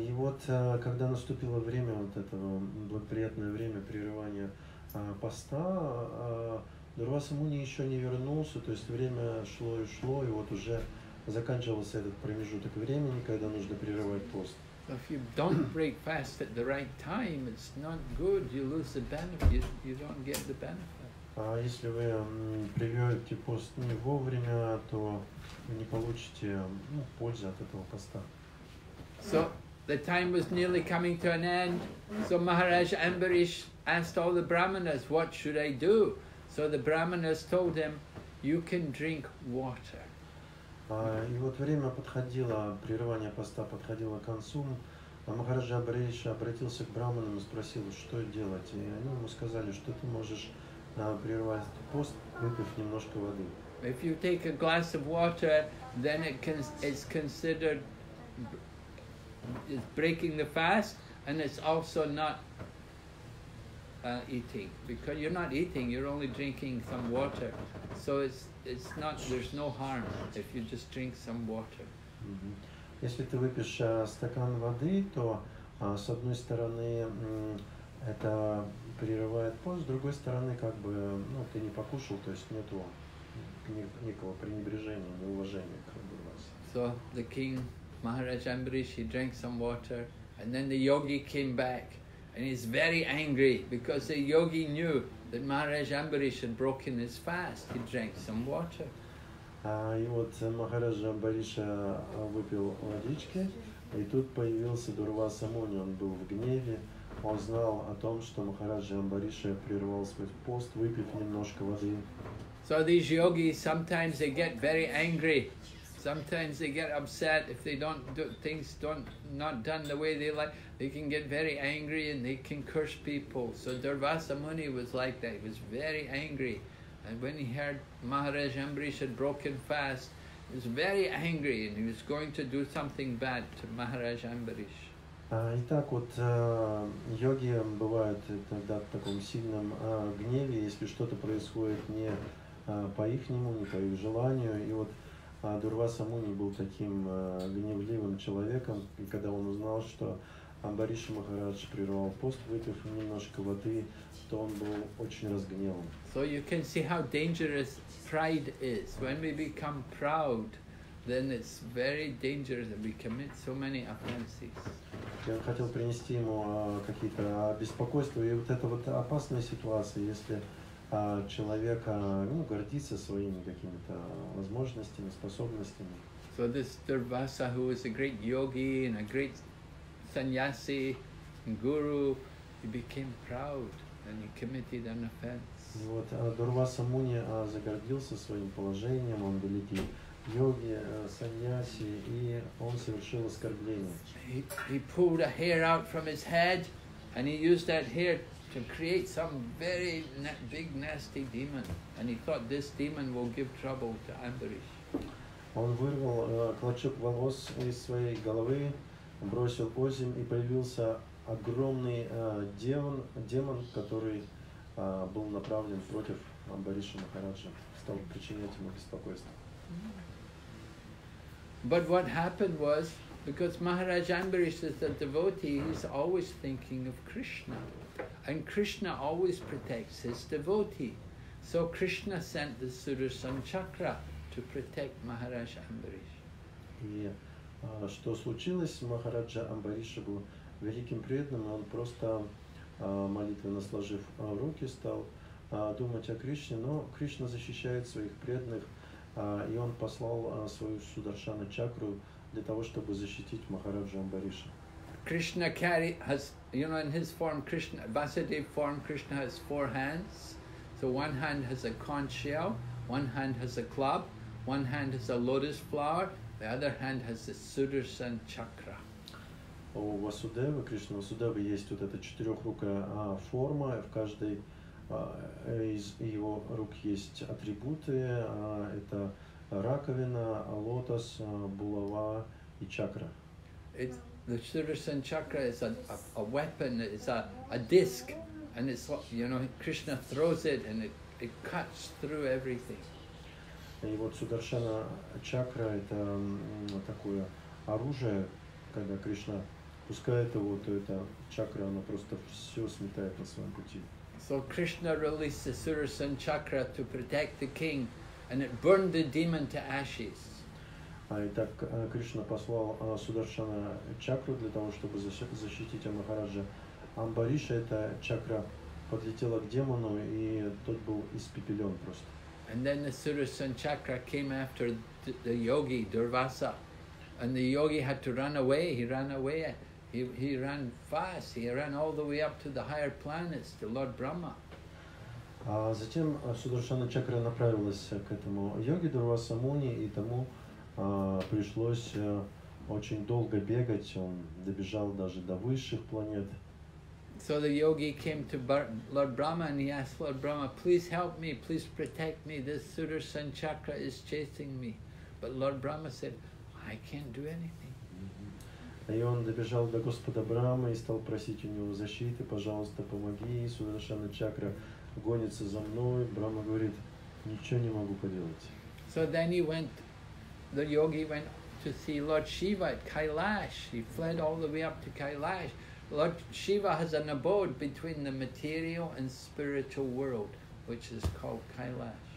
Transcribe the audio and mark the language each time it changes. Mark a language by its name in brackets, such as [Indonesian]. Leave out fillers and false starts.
[Russian] И вот когда наступило время вот этого благоприятное время прерывания поста, Дурваса Муни еще не вернулся, то есть время шло и шло, и вот уже заканчивался этот промежуток времени, когда нужно прерывать пост. [English] So if you don't break fast at the right time, it's not good. You lose the benefit. You don't get the benefit. [Russian] А если вы прервете пост не вовремя, то не получите пользы от этого поста. [English] So the time was nearly coming to an end. So Maharaj Ambarish asked all the brahmanas, "What should I do?" So the brahmanas told him, "You can drink water." [Russian] И вот время подходило, прерывание поста подходило к концу. А Махараджа Амбариша обратился к брахманам и спросил, что делать. И они ему сказали, что ты можешь прервать пост, выпив немножко воды. [English] If you take a glass of water, then it's considered it's breaking the fast, and it's also not eating, because you're not eating, you're only drinking some water. So it's not, there's no harm if you just drink some water. Mm-hmm. [Russian] Если ты выпьешь стакан воды, то с одной стороны это прерывает пост, с другой стороны, как бы, ну, ты не покушал, то есть нету никакого пренебрежения, неуважения к вас. [English] So the king, Maharaj Ambarish, he drank some water, and then the yogi came back, and he's very angry, because the yogi knew that Maharaj Ambarish had broken his fast, he drank some water. [Russian] И вот Махарадж Амбариш выпил водички, и тут появился Дурваса Муни, он был в гневе. Он знал о том, что Махараджа Амбариша прервал свой пост, выпив немножко воды. [English] So these yogis, sometimes they get very angry. Sometimes they get upset if they don't do things not done the way they like. They can get very angry and they can curse people. So Durvasa Muni was like that. He was very angry. And when he heard Maharaj Ambarish had broken fast, he was very angry and he was going to do something bad to Maharaj Ambarish. [Russian] Итак, вот йоги бывают иногда в таком сильном гневе, если что-то происходит не по ихнему, не по их желанию. И вот Дурваса Муни был таким гневливым человеком, и когда он узнал, что Амбариша Махарадж прервал пост, выпив немножко воды, то он был очень разгневан. [English] So you can see how dangerous pride is. When we become proud, then it's very dangerous that we commit so many offenses. [Russian] Я хотел принести ему какие-то беспокойства. И вот эта вот опасная ситуация, если человек гордится своими какими-то возможностями, способностями. [English] So this Durvasa, who was a great yogi and a great sannyasi, guru, he became proud and he committed an offense. [Russian] Вот Дурваса Муни загордился своим положением, он великий. Йоги, саньяси, и он совершил оскорбление. [English] He pulled a hair out from his head, and he used that hair to create some very big nasty demon. And he thought this demon will give trouble to Ambarish. [Russian] Он вырвал клочок волос из своей головы, бросил оземь, и появился огромный демон, который был направлен против Амбариша Махараджа, стал причинять ему беспокойство. [English] But what happened was, because Maharaj Ambarish is a devotee, he's always thinking of Krishna. And Krishna always protects his devotee. So Krishna sent the Sudarshan Chakra to protect Maharaj Ambarish. [Russian] И что случилось с Махараджа Амбариша, был великим преданным, он просто молитвенно сложив руки, стал думать о Кришне, но Кришна защищает своих преданных, и он послал свою Сударшану чакру для того, чтобы защитить Махараджа Амбариша. [English] Krishna carry has, you know, in his form, Krishna, Vasudeva form, Krishna has four hands. So one hand has a conch shell, one hand has a club, one hand has a lotus flower, the other hand has the Sudarshan chakra. [Russian] У Васудевы, Кришна Васудевы, есть вот эта четырехрукая форма, в каждой из его рук есть атрибуты, это раковина, лотос, булава и чакра. [English] The Sudarshan chakra is a weapon, it's a disc, and it's, you know, Krishna throws it and it cuts through everything. [Russian] И вот Сударшана чакра это такое оружие, когда Кришна пускает его, то эта чакра, она просто все сметает на своем пути. [English] So Krishna released the Sudarshan chakra to protect the king, and it burned the demon to ashes. [Russian] Итак, Кришна послал Сударшана чакру для того, чтобы защитить Махараджа Амбариша. Эта чакра подлетела к демону, и тот был испепелен просто. [English] And then the Sudarshan chakra came after the yogi Durvasa, and the yogi had to run away. He ran away. He ran fast. He ran all the way up to the higher planets to Lord Brahma. [Russian] А затем Сударшана чакра направилась к этому йоги Дурваса Муни и тому. Пришлось очень долго бегать, он добежал даже до высших планет. [English] So the yogi came to Lord Brahma and he asked Lord Brahma, please help me, please protect me, this Sudarshan chakra is chasing me. But Lord Brahma said, I can't do anything. [Russian] И он добежал до Господа Брахмы и стал просить у него защиты, пожалуйста, помоги, Сударшана чакра гонится за мной. Брахма говорит, ничего не могу поделать. [English] So then he went. The yogi went to see Lord Shiva at Kailash. He fled all the way up to Kailash. Lord Shiva has an abode between the material and spiritual world, which is called Kailash.